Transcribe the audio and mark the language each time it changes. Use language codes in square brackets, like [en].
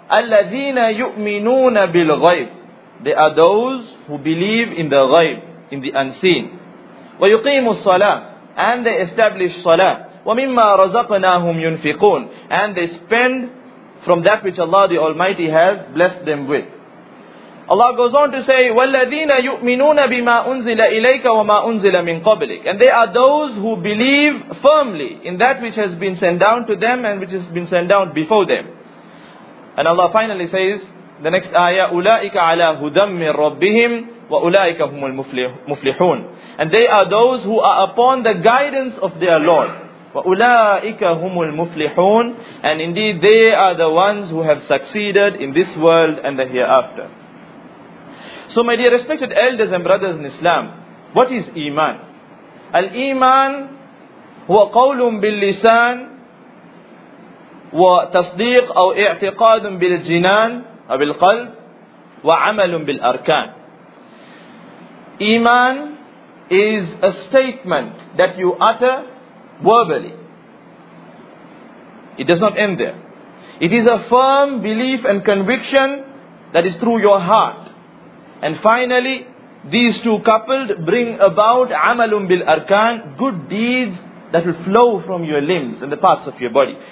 [ar] Alladhina yu'minuna bil ghaib. [en] They are those who believe in the ghaib, in the unseen. [ar] Wa yuqimu salah. [en] And they establish salah. [ar] وَمِمَّا رَزَقْنَاهُمْ يُنْفِقُونَ. [en] And they spend from that which Allah the Almighty has blessed them with. Allah goes on to say, [ar] وَالَّذِينَ يُؤْمِنُونَ بِمَا أُنزِلَ إِلَيْكَ وَمَا أُنزِلَ مِنْ قَبْلِكَ. [en] And they are those who believe firmly in that which has been sent down to them and which has been sent down before them. And Allah finally says, the next ayah, [ar] أُولَٰئِكَ عَلَىٰ هُدًى مِّنْ رَبِّهِمْ وَأُولَٰئِكَ هُمُ الْمُفْلِحُونَ. [en] And they are those who are upon the guidance of their Lord. [ar] وَأُولَٰئِكَ هُمُ الْمُفْلِحُونَ. [en] And indeed they are the ones who have succeeded in this world and the hereafter. So my dear respected elders and brothers in Islam, what is Iman? [ar] Al-Iman هو قول باللسان وتصديق أو اعتقاد بالجنان أو بالقلب وعمل بالأركان. [en] Iman is a statement that you utter verbally. It does not end there. It is a firm belief and conviction that is through your heart. And finally, these two coupled bring about [ar] amalum bil arkan, [en] good deeds that will flow from your limbs and the parts of your body.